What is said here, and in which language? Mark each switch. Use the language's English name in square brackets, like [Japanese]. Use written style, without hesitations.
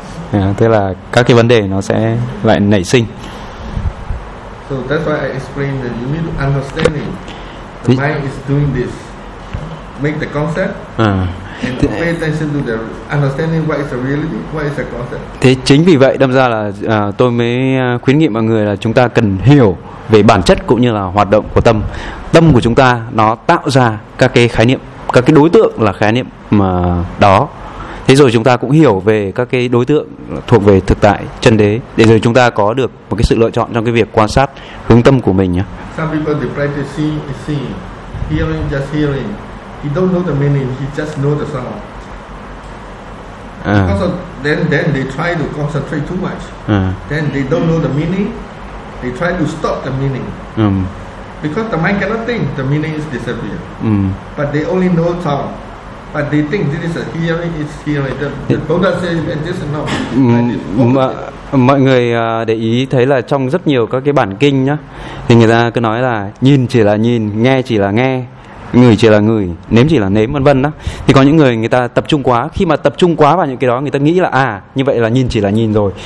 [Vietnamese] Thế là các cái vấn đề nó sẽ lại nảy sinh. [English] So that's why I explain that you need understanding. The mind is doing this. Make the concept. And pay attention to the understanding what is the reality, what is the concept. [Vietnamese] Thế chính vì vậy đâm ra là tôi mới khuyến nghị mọi người là chúng ta cần hiểu về bản chất cũng như là hoạt động của tâm. Tâm của chúng ta nó tạo ra các cái khái niệm các cái đối tượng là khái niệm mà đó. Thế rồi chúng ta cũng hiểu về các cái đối tượng thuộc về thực tại chân đế, để rồi chúng ta có được một cái sự lựa chọn trong cái việc quan sát hướng tâm của mình nhé. [English] Some people they practice seeing, hearing, just hearing. He don't know the meaning, he just know the sound. Because then they try to concentrate too much. Then they don't know the meaning. They try to stop the meaning. Because the mind cannot think, the meaning is disappear. But they only know sound. But they think this is a hearing, it's hearing. The Buddha says that this is not. [Vietnamese] Mọi người để ý thấy là trong rất nhiều các cái bản kinh nhá, thì người ta cứ nói là nhìn chỉ là nhìn, nghe chỉ là nghe, ngửi chỉ là ngửi, nếm chỉ là nếm, vân vân đó. Thì có những người người ta tập trung quá, khi mà tập trung quá vào những cái đó, người ta nghĩ là à, như vậy là nhìn chỉ là nhìn rồi.